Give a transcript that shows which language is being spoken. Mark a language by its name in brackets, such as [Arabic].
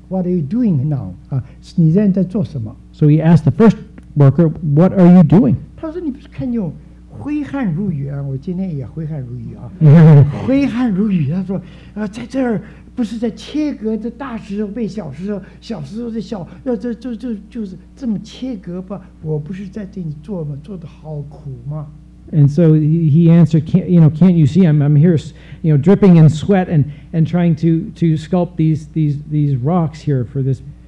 [English] What are you doing now? [Chinese] 你现在在做什么? [English] So he asked the first worker, what are you doing? [Chinese] 他说你不是看见我挥汗如雨啊, 我今天也挥汗如雨啊。挥汗如雨, 他说, 在这儿不是在切割这大石头被小石头，小石头这小，就是这么切割吧，我不是在这里做吗？做得好苦吗？ [English] And so he answered, can't you see I'm here, you know, dripping in sweat and trying to sculpt these rocks here for this project.